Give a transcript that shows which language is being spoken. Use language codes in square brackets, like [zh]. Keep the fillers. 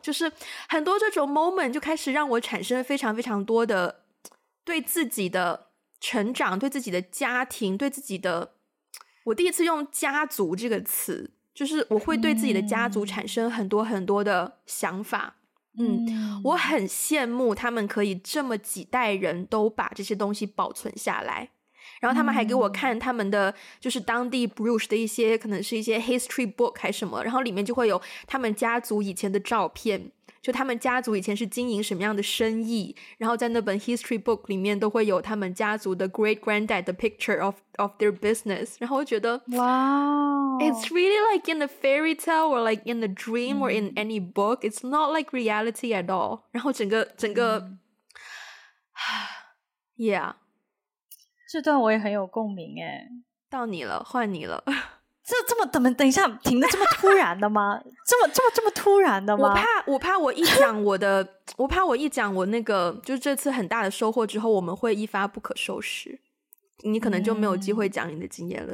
[zh] 就是很多这种 moment 就开始让我产生非常非常多的对自己的成长、对自己的家庭、对自己的……我第一次用“家族”这个词，就是我会对自己的家族产生很多很多的想法。嗯嗯，我很羡慕他们可以这么几代人都把这些东西保存下来。然后他们还给我看他们的，就是当地 Bruce 的一些，可能是一些 history book 还什么，然后里面就会有他们家族以前的照片。就他们家族以前是经营什么样的生意，然后在那本 history book 里面都会有他们家族的 great granddad 的 [en] picture of of their business， [zh] 然后我觉得，哇， [en] it's really like in the fairy tale or like in the dream or in any book，it's not like reality at all。 [zh] 然后整个整个，yeah，这段我也很有共鸣哎，到你了，换你了。这这么怎么等一下停的这么突然的吗？这么这么这么突然的吗？我怕我怕我一讲我的， 我怕我一讲我那个，就是这次很大的收获之后，我们会一发不可收拾，你可能就没有机会讲你的经验了。